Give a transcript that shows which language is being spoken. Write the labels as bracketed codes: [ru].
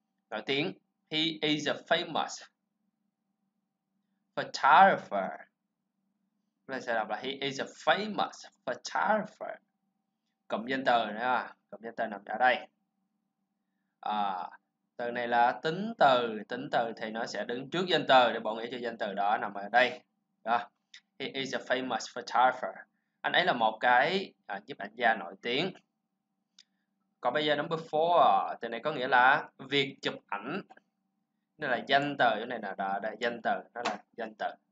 [vi] Nổi tiếng, [en] he is a famous photographer. [vi] Chúng ta sẽ đọc là [en] he is a famous photographer. [vi] Cụm danh từ nữa, cụm danh từ nằm ở đây. Từ này là tính từ thì nó sẽ đứng trước danh từ để bổ nghĩa cho danh từ đó nằm ở đây. Đó. [en] He is a famous photographer. [vi] Anh ấy là một cái nhiếp ảnh gia nổi tiếng. Còn bây giờ number 4, từ này có nghĩa là việc chụp ảnh. Nó là danh từ, chỗ này là đây, danh từ, nó là danh từ.